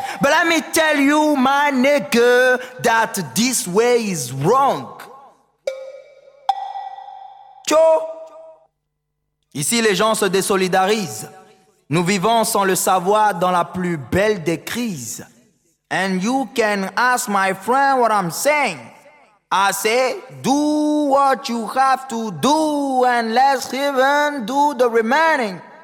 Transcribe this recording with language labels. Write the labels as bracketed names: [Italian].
[English] But let me tell you, my nigga, that this way is wrong. » Tcho! [French] Ici, les gens se désolidarisent. Nous vivons sans le savoir dans la plus belle des crises. [English] And you can ask my friend what I'm saying. I say, do what you have to do and let's even do the remaining.